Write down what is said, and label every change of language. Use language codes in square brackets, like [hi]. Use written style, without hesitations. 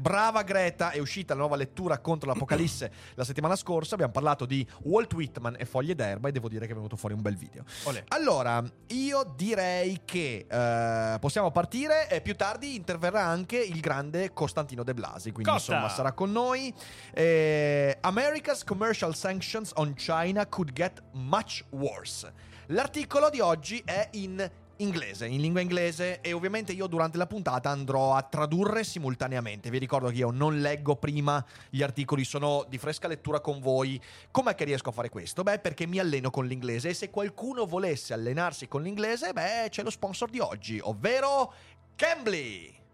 [it] Brava Greta, è uscita la nuova lettura contro l'Apocalisse. La settimana scorsa abbiamo parlato di Walt Whitman e Foglie d'erba e devo dire che è venuto fuori un bel video. Olè. Allora, io direi che possiamo partire e più tardi interverrà anche il grande Costantino De Blasi, quindi Costa. Insomma sarà con noi. [en] America's commercial sanctions on China could get much worse. [it] L'articolo di oggi è in lingua inglese e ovviamente io durante la puntata andrò a tradurre simultaneamente. Vi ricordo che io non leggo prima gli articoli, sono di fresca lettura con voi. Com'è che riesco a fare questo? Beh, perché mi alleno con l'inglese, e se qualcuno volesse allenarsi con l'inglese, beh, c'è lo sponsor di oggi, ovvero Cambly.